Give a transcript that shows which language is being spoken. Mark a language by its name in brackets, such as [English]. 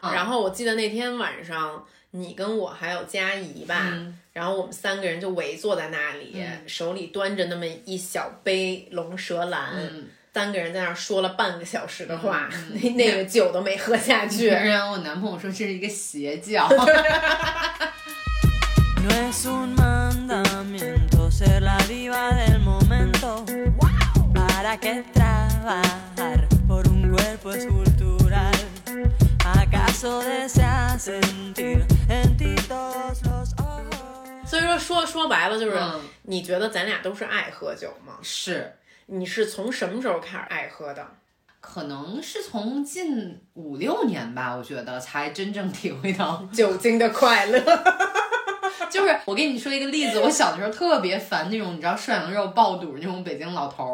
[Chinese] 然后我记得那天晚上你跟我还有佳怡吧，嗯，然后我们三个人就围坐在那里，嗯，手里端着那么一小杯龙舌兰，嗯，三个人在那儿说了半个小时的话，嗯，那个酒都没喝下去。然后我男朋友说这是一个邪教。 [Spanish] No es un mandamiento ser la diva del momento. ¿Para qué trabajar por un cuerpo escultural? ¿Acaso deseas sentir en ti todos los ojos? [Chinese] 所以说说白了就是，嗯，你觉得咱俩都是爱喝酒吗？是。你是从什么时候开始爱喝的？可能是从近五六年吧，我觉得才真正体会到酒精的快乐。就是我给你说一个例子，我小的时候特别烦那种你知道涮羊肉爆肚那种北京老头，